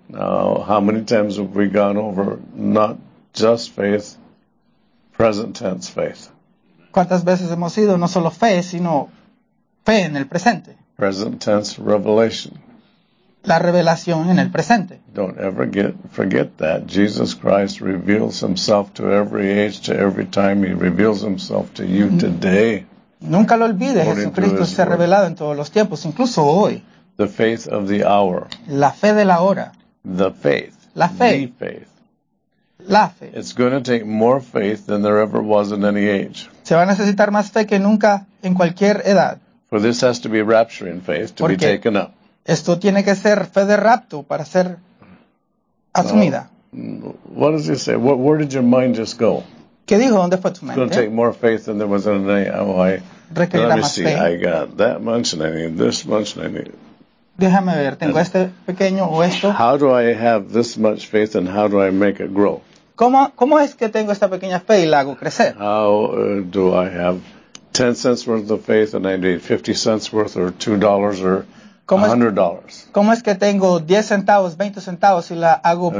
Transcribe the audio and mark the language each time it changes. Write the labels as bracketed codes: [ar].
[en] Now, how many times have we gone over not just faith, present tense faith? [es] ¿Cuántas veces hemos ido no solo fe, sino fe en el presente? [en] Present tense revelation. [es] La revelación en el presente. [en] Don't ever forget that. Jesus Christ reveals himself to every age, to every time. He reveals himself to you today. [es] Nunca lo olvide. Jesucristo se ha revelado en todos los tiempos, incluso hoy. [en] The faith of the hour. [es] La fe de la hora. [en] The faith. [es] La fe. [en] The faith. [es] La fe. [en] It's going to take more faith than there ever was in any age. [es] Se va a necesitar más fe que nunca en cualquier edad. [en] For this has to be rapturing faith to be taken up. [es] Esto tiene que ser fe de rapto para ser asumida. [en] What does he say? Where did your mind just go? [es] ¿Qué dijo? ¿Dónde fue tu mente? [en] It's going to take more faith than there was in any. Oh, I. [es] Requerirá [en] let me [es] más [en] see. [es] Fe. [en] I got that much and I need this much and I need. [es] Déjame ver. Tengo este pequeño o esto. [en] How do I have this much faith and how do I make it grow? [es] ¿Cómo es que tengo esta pequeña fe y la hago crecer? [en] How do I have 10 cents worth of faith and I need 50 cents worth or $2 or $100. [es] ¿Cómo es que tengo 10 centavos, 20 centavos y la hago okay.